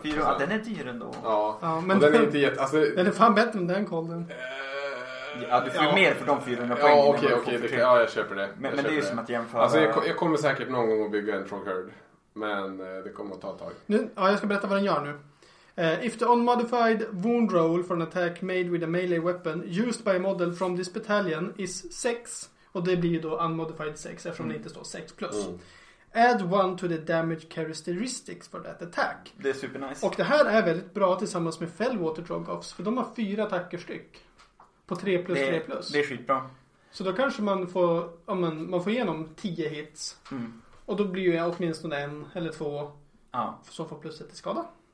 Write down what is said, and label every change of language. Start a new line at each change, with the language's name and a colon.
Swedish: 400. Ja, den är dyr ändå. Ja, ja men den är inte jätte... Alltså... Den är fan bättre än den kolden. Ja, du får ju mer för de 400 poängen. Ja, okej, jag köper det. Men köper det är ju som att jämföra... Alltså, jag kommer säkert någon gång att bygga en Troghurd. Men det kommer att ta ett tag. Nu, ja, jag ska berätta vad den gör nu.
English: If the unmodified wound roll for an attack made with a melee weapon used by a model from this battalion is 6.
Swedish: Och det blir ju då unmodified 6 eftersom det inte står 6 plus.
English: Add 1 to the damage characteristics for that attack.
Swedish: Det är super nice. Och det här är väldigt bra tillsammans med Fellwater Trogoffs. För de har 4 attacker styck. På 3 plus 3 plus. Det är skitbra. Så då kanske man får, ja, man får igenom 10 hits. Och då blir jag åtminstone en eller två som får plus 1 i skada.